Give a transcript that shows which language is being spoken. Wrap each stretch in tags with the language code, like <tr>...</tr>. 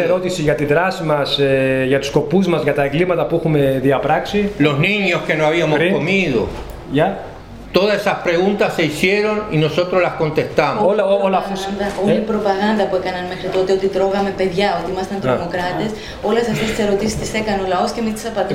<el>Σε κάθε ερώτηση για τη δράση μας, για τους σκοπούς μας, για τα εγκλήματα που έχουμε διαπράξει.</el> <es>Los niños que no habíamos comido. Ya. Todas esas preguntas se hicieron y nosotros las contestamos.</es> <el>Όλα όλα όλη η προπαγάνδα που έκαναν μέχρι τότε ότι τρώγαμε παιδιά, ότι ήμασταν τρομοκράτες, όλες αυτές τις ερωτήσεις τις έκανε ο λαός και εμείς τις απαντούσαμε.</el>